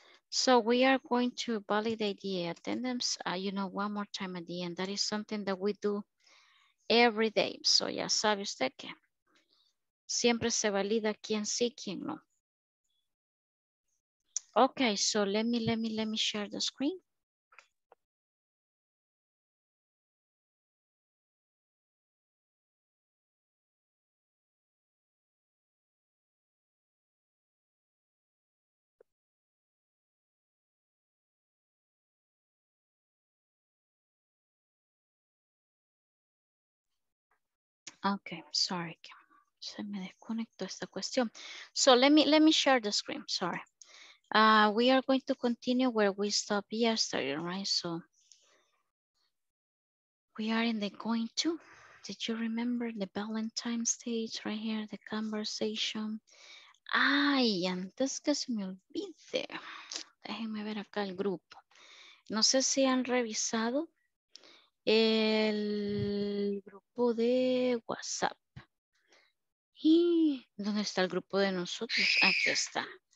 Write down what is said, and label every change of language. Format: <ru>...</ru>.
<en>So we are going to validate the attendance, you know, one more time at the end. That is something that we do every day.</en> <es>So ya sabe usted que siempre se valida quien sí, quien no.</es> <en>Okay, so let me share the screen. Okay, sorry,</en> <es>se me desconectó esta cuestión.</es> <en>So let me share the screen, sorry. We are going to continue where we stopped yesterday, right? So we are in the going to. Did you remember the Valentine stage right here, the conversation?</en> <es>Ay, antes que se me olvide, déjenme ver acá el grupo. No sé si han revisado el grupo de WhatsApp. ¿Y dónde está el grupo de nosotros? Aquí está.</es>